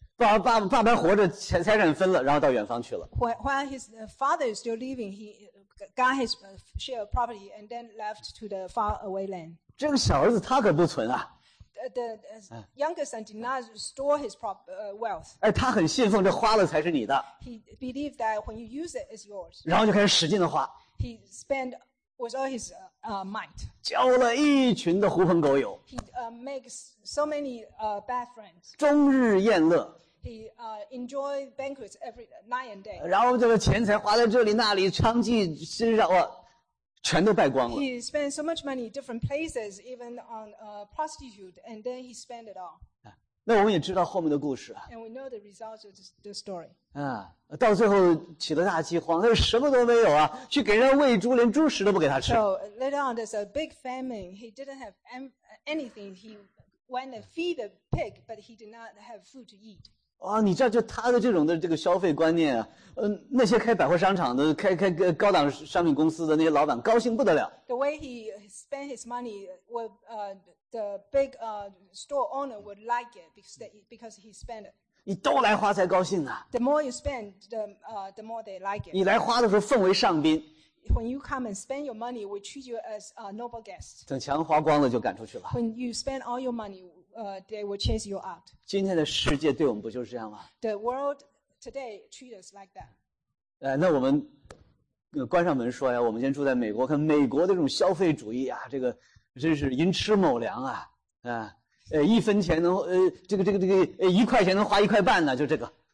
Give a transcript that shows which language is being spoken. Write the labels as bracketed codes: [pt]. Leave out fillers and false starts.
[zh] 爸活着，财产分了，然后到远方去了。 [en] While his father is still living, he got his share of property and then left to the far away land. [zh] 这个小儿子他可不存啊。 [en] The younger son did not store his wealth. [zh] 他很信奉这花了才是你的。 [en] He believed that when you use it, it's yours. [zh] 然后就开始使劲的花。 [en] He spent with all his might. [zh] 交了一群的狐朋狗友。 [en] He makes so many bad friends. [zh] 终日宴乐。 [en] He enjoy banquets every night and day. [zh] 然后这个钱财花在这里那里，娼妓身上哇。全都败光了。 [en] He spent so much money different places, even on a prostitute, and then he spent it all. [zh] 那我们也知道后面的故事啊。 [en] And we know the results of the story. [zh] 到最后起了大饥荒，他什么都没有啊，去给人家喂猪，连猪食都不给他吃。 [en] So later on, there's a big famine. He didn't have anything. He went to feed the pig, but he did not have food to eat. [zh] 你知道就他的这种的这个消费观念啊，那些开百货商场的、开高档商品公司的那些老板高兴不得了。 [en] The way he spent his money, would the big store owner would like it because he spent it. [zh] 你都来花才高兴啊。 [en] The more you spend, the more they like it. [zh] 你来花的时候奉为上宾。 [en] When you come and spend your money, we treat you as a noble guest. [zh] 等钱花光了就赶出去了。 [en] When you spend all your money, they will chase you out. [zh] 今天的世界对我们不就是这样吗 [en] ？The world today treats us like that. [zh] 那我们关上门说呀，我们先住在美国，看美国的这种消费主义啊，这个真是寅吃卯粮啊，一分钱能这个一块钱能花一块半呢，就这个。